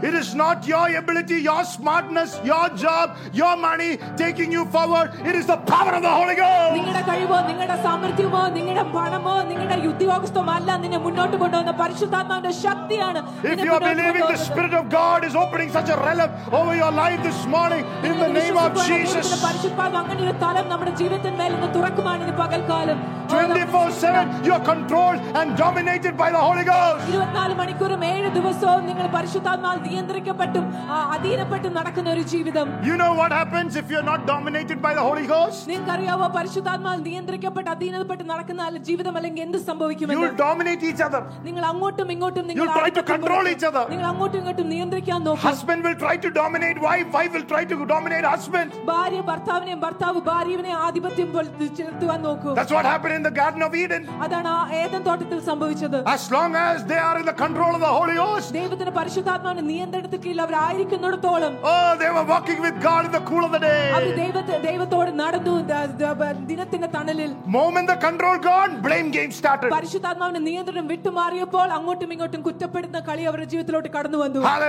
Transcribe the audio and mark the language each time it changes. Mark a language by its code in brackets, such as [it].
[en] It is not your ability, your smartness, your job, your money taking you forward. It is the power of the Holy Ghost. [ml] നിങ്ങളുടെ കഴിവോ നിങ്ങളുടെ സാമർത്ഥ്യമോ നിങ്ങളുടെ പണമോ നിങ്ങളുടെ ഉദ്യോഗസ്ഥമോ അല്ല നിന്നെ മുന്നോട്ട് കൊണ്ടുവന്ന പരിശുദ്ധാത്മാവിന്റെ ശക്തിയാണ്. [en] If you are believing the Spirit of God is opening such a realm over your life this morning in the name of Jesus. [ml] പരിശുദ്ധാത്മാവിന്റെ തലം നമ്മുടെ ജീവിതത്തിന്മേൽ നിന്ന് തുറക്കുമാണ് ഈ പകൽക്കാലം. [en] 24/7 you are controlled and dominated by the Holy Ghost. 24 [ml] മണിക്കൂറും 7 ദിവസവും നിങ്ങൾ പരിശുദ്ധാത്മാവ് നിയന്ത്രിക്കപ്പെട്ടും അധീനപ്പെട്ടും നടക്കുന്ന ഒരു ജീവിതം. [en] You know what happens if you are not dominated by the Holy Ghost? [ml] നിങ്ങൾ അറിയാവോ പരിശുദ്ധാത്മാവ് നിയന്ത്രിക്കപ്പെട്ട് അധീനപ്പെട്ട് നടക്കുന്ന ആ ജീവിതം അല്ലെങ്കിൽ എന്ത് സംഭവിക്കും? [en] You dominate each other. [ml] നിങ്ങൾ അങ്ങോട്ടും ഇങ്ങോട്ടും നിങ്ങൾ [en] try to control each other. [ml] നിങ്ങൾ അങ്ങോട്ടും ഇങ്ങോട്ടും നിയന്ത്രിക്കാൻ നോക്കും. [en] Husband will try to dominate wife, wife will try to dominate husband. [ml] ഭാര്യ ഭർത്താവിനെയും ഭർത്താവ് ഭാര്യയെയും ആധിപത്യം പുലർത്തുവാൻ നോക്കും. [en] That's what happened in the Garden of Eden. [ml] അതാണ് ആ ഏദൻ തോട്ടത്തിൽ സംഭവിച്ചത്. [en] As long as they are in the control of the Holy Ghost. [ml] ദൈവത്തിന്റെ പരിശുദ്ധാത്മാവിന്റെ നിയന്ത്രണത്തിൽ അവരായിരിക്കുന്നിടത്തോളം. [en] Oh, they were walking with God in the cool of the day. [ml] അവർ ദൈവത്തോട് നടന്നു ദിനത്തിന്റെ തണലിൽ. [en] Moment the control gone, blame game started. [ml] പരിശുദ്ധാത്മാവിന്റെ നിയന്ത്രണം വിട്ടുമാറിയപ്പോൾ അങ്ങോട്ടും ഇങ്ങോട്ടും കുറ്റപ്പെടുന്ന കളി അവരുടെ ജീവിതത്തിലോട്ട് കടന്നു വന്നു.